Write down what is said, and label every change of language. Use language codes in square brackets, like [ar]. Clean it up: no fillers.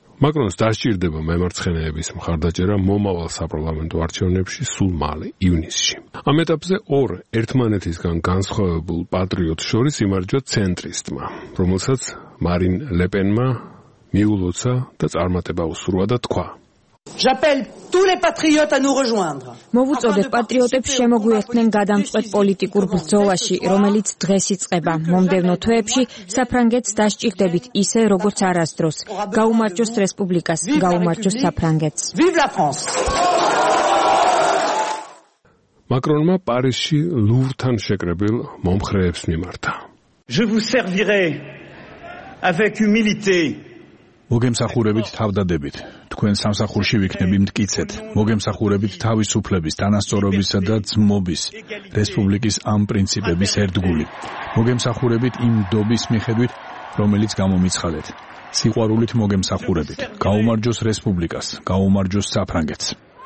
[ka] მაკრონს დასჭირდება მემარცხენეების მხარდაჭერა მომავალ საპარლამენტო არჩევნებში სულ მალე, ივნისში. ამ ეტაპზე ორ ერთმანეთისგან განსხვავებულ პატრიოტს შორის იმარჯვა ცენტრისტმა, რომელსაც მარინ ლეპენმა მიულოცა და წარმატება უსურვა და თქვა: [fr] J'appelle tous les patriotes à nous rejoindre. [ka] მოვუწოდე პატრიოტებს შემოგვიერთნენ გადამწყვეტ პოლიტიკურ ბრძოლაში, რომელიც დღეს იწყება. მომდევნო თვეებში საფრანგეთს დასჭირდებით ისე, როგორც არასდროს. გაუმარჯოს რესპუბლიკას, გაუმარჯოს საფრანგეთს. [fr] Vive la France. [ka] მაკრონმა პარიზში ლუვრთან შეკრებილ მომხრეებს მიმართა: [fr] Je vous servirai avec humilité. [ka] მოგემსახურებით თავდადებით. თქვენ სამსახურში ვიქნები მткиცეთ. მოგემსახურებით თავისუფლების, თანასწორობისა და ძმობის რესპუბლიკის ამ პრინციპების ერთგული. მოგემსახურებით იმ დობის მიხედვით, რომელიც გამომიცხადეთ. სიყვარულით მოგემსახურებით. გაუმარჯოს რესპუბლიკას, გაუმარჯოს საფრანგეთს.